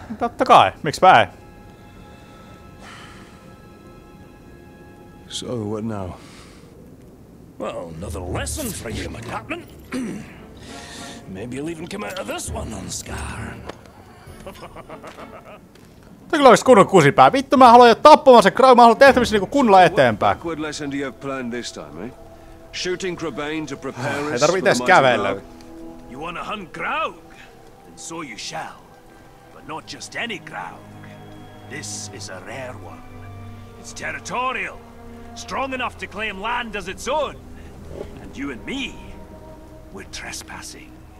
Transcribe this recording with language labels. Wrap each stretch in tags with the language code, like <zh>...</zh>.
<fi>Totta kai, miksipä ei?</fi> <en>So, what now? Well, another lesson for you, my captain. Maybe you'll even come out of this one unscarred.</en> <fi>Tää kyllä olis kunnon kusipää. Vittu, mä haluan jo tappamaan sen Grog, mä haluan tehtävissä niinku kunnolla eteenpäin.</fi> <en>What lesson do you have planned this time, eh? Shooting Crabane to prepare us for the mighty Grog. You wanna hunt Grog? So you shall, but not just any Grog. This is a rare one. It's territorial, strong enough to claim land as its own. And you and me, We're trespassing.</en>